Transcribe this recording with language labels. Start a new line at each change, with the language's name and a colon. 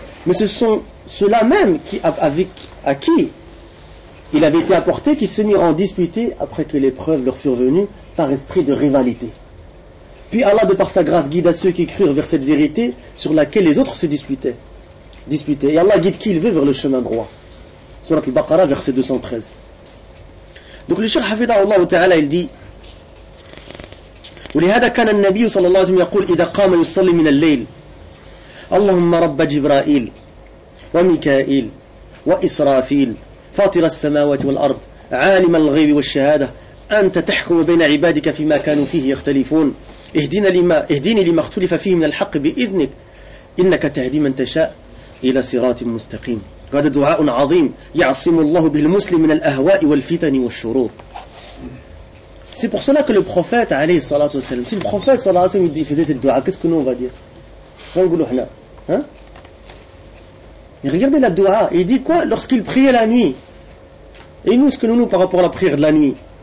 French: Mais ce sont ceux-là même à qui il avait été apporté qui se mirent en disputer après que les preuves leur furent venues par esprit de rivalité. Puis Allah, de par sa grâce, guida ceux qui crurent vers cette vérité sur laquelle les autres se disputaient. Et Allah guide qui il veut vers le chemin droit. Surat al-Baqarah, verset 213. Donc le cheikh Hafidhahullah ta'ala, il dit:
Arabic: ولهذا كان النبي صلى الله عليه وسلم يقول إذا قام يصلي من الليل اللهم رب جبرائيل وميكائيل وإسرافيل فاطر السماوات والأرض عالم الغيب والشهادة أنت تحكم بين عبادك فيما كانوا فيه يختلفون اهدني لما اختلف فيه من الحق بإذنك إنك تهدي من تشاء إلى صراط مستقيم. هذا دعاء عظيم يعصم الله به المسلم من الأهواء والفتن والشرور.
French: C'est pour cela que le prophète عليه الصلاة والسلام, si le prophète صلى الله عليه وسلم faisait cette dua, qu'est-ce que nous on va dire? Qu'on va dire? Hein? Et regardez la dua, il dit quoi lorsqu'il priait la nuit? Et nous, ce que nous par rapport à la prière de la nuit?